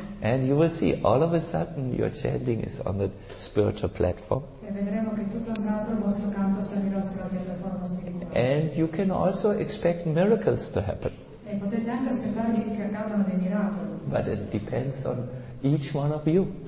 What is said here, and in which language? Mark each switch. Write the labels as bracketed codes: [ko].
[en] And you will see, all of a sudden, your chanting is on the spiritual platform. [it] E vedremo che tutto andato, il vostro canto salirà sulla piattaforma spirituale. [en] And you can also expect miracles to happen. [it] E potete anche aspettarvi che accadano dei miracoli. [en] But it depends on each one of you.